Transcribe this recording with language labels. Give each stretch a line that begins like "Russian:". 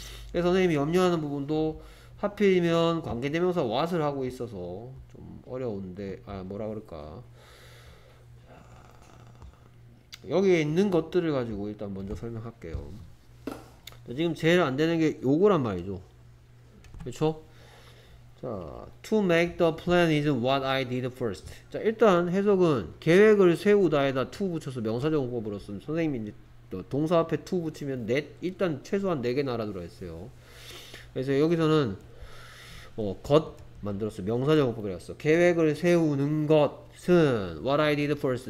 Korean: 그래서 선생님이 염려하는 부분도 하필이면 관계대명사 what을 하고 있어서 좀 어려운데, 아, 뭐라 그럴까. 여기에 있는 것들을 가지고 일단 먼저 설명할게요. 지금 제일 안 되는 게 요거란 말이죠. 그쵸?
English: 자, to make the plan is what I did first.
Korean: 자, 일단 해석은 계획을 세우다에다 to 붙여서 명사적으로 물었으면 선생님이 동사 앞에 to 붙이면 일단 최소한 4개 날아들어 있어요. 그래서 여기서는 겉 만들었어. 명사적 어법을 했어. 계획을 세우는 것은
English: what I did first.